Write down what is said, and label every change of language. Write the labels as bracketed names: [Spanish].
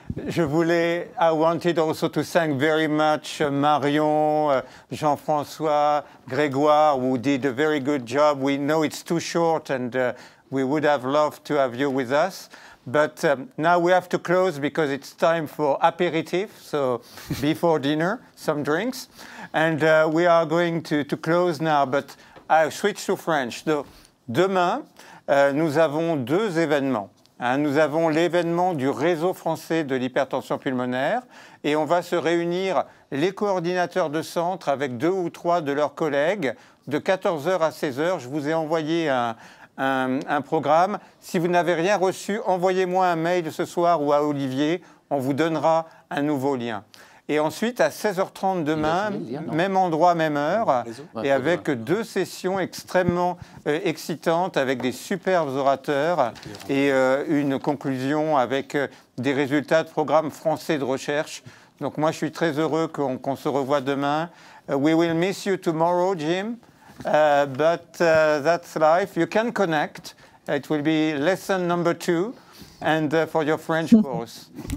[English] I wanted also to thank very much Marion, Jean-François, Grégoire, who did a very good job. We know it's too short, and we would have loved to have you with us. But now we have to close because it's time for aperitif, so before dinner, some drinks. And we are going to close now, but I switch to French. [French] So, demain, nous avons deux événements. Hein, nous avons l'événement du réseau français de l'hypertension pulmonaire et on va se réunir les coordinateurs de centre avec deux ou trois de leurs collègues de 14h à 16h. Je vous ai envoyé un programme. Si vous n'avez rien reçu, envoyez-moi un mail ce soir ou à Olivier, on vous donnera un nouveau lien. Et ensuite, à 16h30 demain, même endroit, même heure, et avec deux sessions extrêmement excitantes, avec des superbes orateurs, et une conclusion avec des résultats de programmes français de recherche. Donc moi, je suis très heureux qu'on se revoie demain. [English] We will miss you tomorrow, Jim, but that's life. You can connect. It will be lesson number two, and for your French course.